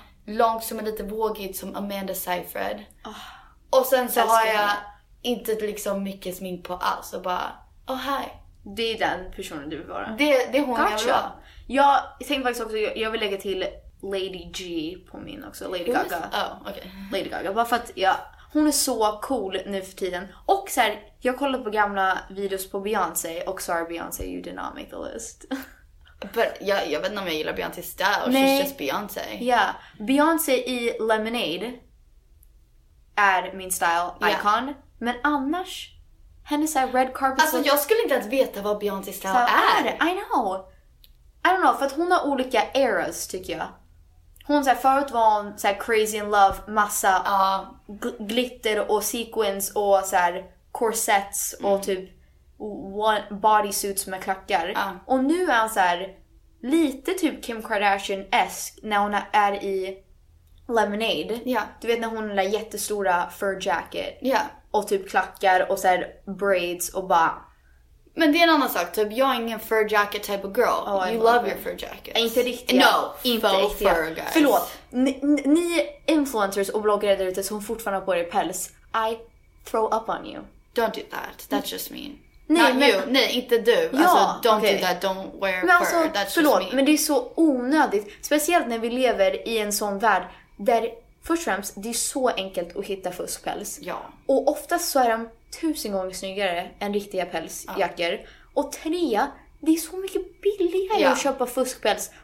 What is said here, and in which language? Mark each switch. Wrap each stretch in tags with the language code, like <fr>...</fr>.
<sv>Långt som är lite vågigt, som Amanda Seyfried. Och sen så har jag inte liksom mycket smink på alls, och bara,</sv> <en>oh hi.</en> <sv>Det är den personen du vill vara. Det är hon. Gotcha. Jag vill vara. Jag tänkte faktiskt också, jag vill lägga till Lady G på min också, Lady Gaga. Lady Gaga, bara för att jag... Hon är så cool nu för tiden. Och så här, jag kollade på gamla videos på Beyoncé.</sv> <en>Och sorry Beyoncé, you did not make the list.</en> <sv>But, jag vet inte om jag gillar Beyoncé style.</sv> <en>Nej. She's just Beyoncé. Ja, yeah.</en> <sv>Beyoncé i Lemonade är min style icon. Yeah. Men annars, hennes så här red carpet... Alltså jag skulle inte ens veta vad Beyoncé style är.</sv> <en>I know. I don't know,</en> <sv>för att hon har olika eras tycker jag. Hon så här, förut var hon så här,</sv> <en>crazy in love,</en> <sv>massa glitter och sequins och så här, corsets och typ bodysuits med klackar. Och nu är hon så här, lite typ Kim Kardashian-esk när hon är i Lemonade. Yeah. Du vet när hon har jättestora fur jacket yeah. och typ klackar och så här, braids och bara... Men det är en annan sak, typ jag är ingen fur jacket</sv> <en>type of girl. Oh, you love your fur jackets.</en> <sv>Inte riktigt.</sv> <en>No,</en> <sv>inte riktigt. Förlåt, ni influencers och bloggare där ute som fortfarande har på er päls,</sv> <en>I throw up on you. Don't do that, that's just mean.</en> <sv>Nej, inte du.</sv> <en>Ja, alltså, don't do that, don't wear fur, alltså, that's</en> <sv>förlåt,</sv> <en>just mean.</en> <sv>Men det är så onödigt, speciellt när vi lever i en sån värld där först och främst, det är så enkelt att hitta fuskpäls. Ja. Och oftast så är de 1000 gånger snyggare än riktiga pälsjackor. Ja. Och tre, det är så mycket billigare att köpa fuskpäls.</sv>